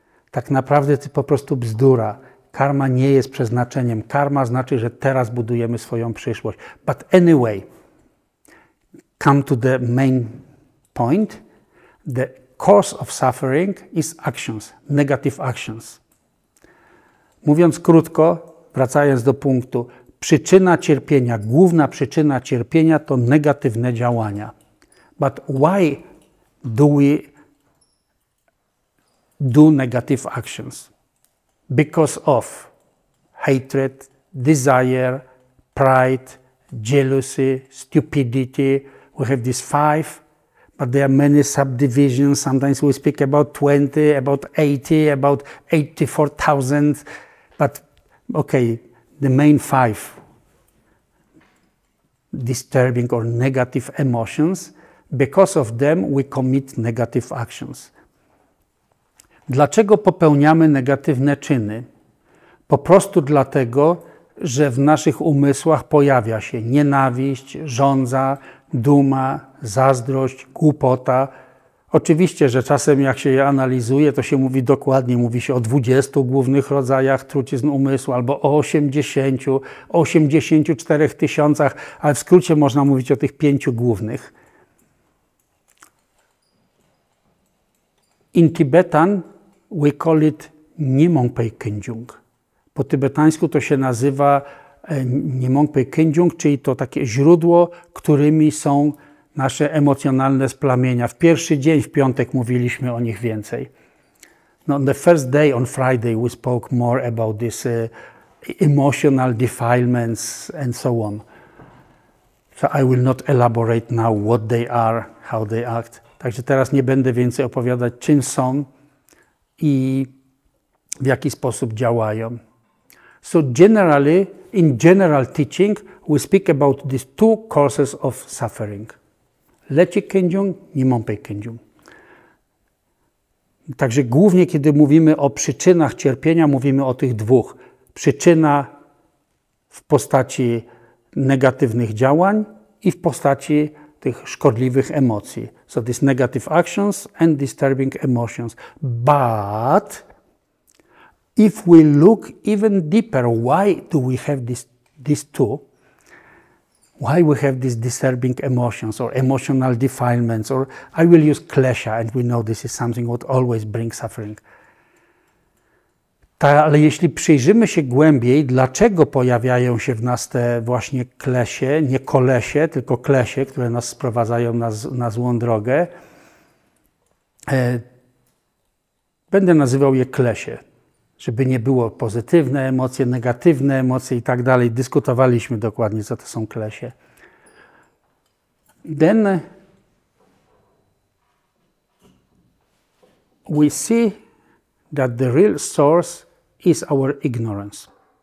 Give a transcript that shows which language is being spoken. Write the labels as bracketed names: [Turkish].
[Polish] Tak naprawdę to po prostu bzdura. Karma nie jest przeznaczeniem. Karma znaczy, że teraz budujemy swoją przyszłość. [English] But anyway, come to the main point. The cause of suffering is actions, negative actions. [Polish] Mówiąc krótko, wracając do punktu, przyczyna cierpienia, główna przyczyna cierpienia to negatywne działania. [English] But why do we do negative actions? Because of hatred, desire, pride, jealousy, stupidity. We have these five, but there are many subdivisions. Sometimes we speak about 20, about 80, about 84,000. But okay, the main five. Disturbing or negative emotions, because of them we commit negative actions. [Polish] Dlaczego popełniamy negatywne czyny? Po prostu dlatego, że w naszych umysłach pojawia się nienawiść, żądza, duma, zazdrość, głupota. Oczywiście, że czasem jak się je analizuje, to się mówi dokładnie, mówi się o 20 głównych rodzajach trucizn umysłu, albo o 80, 84 tysiącach, ale w skrócie można mówić o tych pięciu głównych. [English] In Tibetan we call it Nyingmenpei Kenjung. [Polish] Po tybetańsku to się nazywa Nyingmenpei Kenjung, czyli to takie źródło, którymi są nasze emocjonalne splamienia. W pierwszy dzień, w piątek, mówiliśmy o nich więcej. [English] No, on the first day, on Friday, we spoke more about this emotional defilements and so on. So I will not elaborate now what they are, how they act. [Polish] Także teraz nie będę więcej opowiadać, czym są i w jaki sposób działają. [English] So generally, in general teaching, we speak about these two causes of suffering. Leci kędziung, nimąpej kędziung. [Polish] Także głównie, kiedy mówimy o przyczynach cierpienia, mówimy o tych dwóch. Przyczyna w postaci negatywnych działań i w postaci tych szkodliwych emocji. [English] So these negative actions and disturbing emotions. But if we look even deeper, why do we have these two? why we have these disturbing emotions or emotional defilements, or I will use klesha, and we know this is something what always brings suffering. [Polish] Ale jeśli przyjrzymy się głębiej, dlaczego pojawiają się w nas te właśnie klesie, nie kolesie, tylko klesie, które nas sprowadzają na złą drogę, będę nazywał je klesie, żeby nie było pozytywne emocje, negatywne emocje i tak dalej. Dyskutowaliśmy dokładnie, co to są klesie. [English] Then we see that the real source is our ignorance.